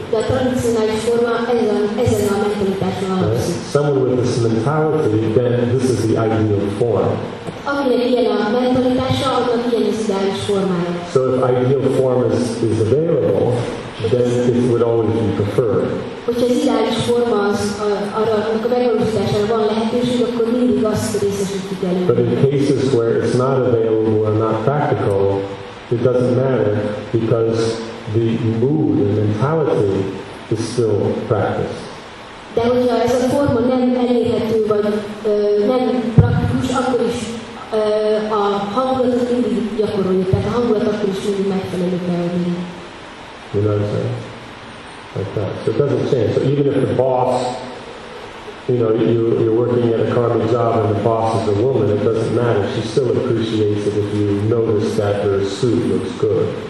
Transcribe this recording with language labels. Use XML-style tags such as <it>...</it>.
<en>Right? Someone with this mentality, then this is the ideal form. So if ideal form is available, then it would always be preferred.</en> <hu>Hogyha az ideális forma az arra, amikor a megvalósítására van lehetőség, akkor mindig azt részesítjük elő.</hu> <en>But in cases where it's not available or not practical, it doesn't matter because the mood and mentality is still practiced.</en> <hu>De hogyha ez a forma nem elérhető, vagy nem praktikus, akkor is a hangulatot mindig gyakoroljuk. Tehát a hangulat akkor is mindig megfelelő kell lenni.</hu> <en>You know what I'm saying? Like that. So it doesn't change. So even if the boss, you know, you're working at a karmic job and the boss is a woman, it doesn't matter. She still appreciates it if you notice that her suit looks good.</en>